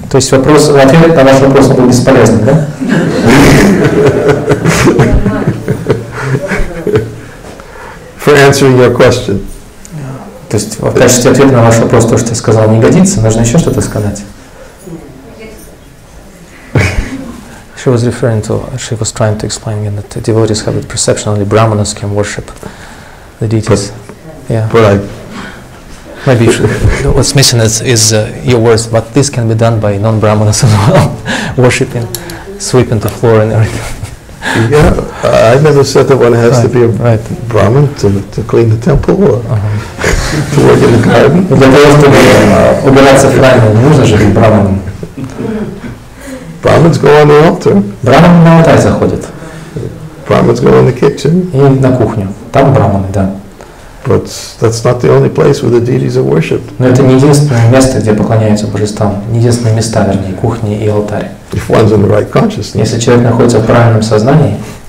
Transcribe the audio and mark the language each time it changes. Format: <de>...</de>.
<ru>То есть вопрос, ответ на ваш вопрос был бесполезный, да?</ru> <en>For answering your question.</en> <ru>То есть в качестве ответа на ваш вопрос то, что я сказал, не годится. Нужно еще что-то сказать.</ru> <en>She was referring to, she was trying to explain again that the devotees have a perception only Brahmanas can worship the deities. But, yeah. But I... Maybe you should, what's missing is your words, but this can be done by non-Brahmanas as well, worshipping, sweeping the floor and everything. Yeah, I never said that one has to be a Brahman to clean the temple or to work in the garden. Brahmins go on the altar.</en> <ru>Брахманы на алтарь заходят.</ru> <en>Brahmins go in the kitchen.</en> <ru>И на кухню. Там брахманы, да.</ru> <en>But that's not the only place where the deities are worshipped.</en> <ru>Но это не единственное место, где поклоняются божествам, не единственное место, вернее, кухня и алтарь.</ru> <en>If one's in the right consciousness.</en> <ru>Если человек находится в правильном сознании.</ru>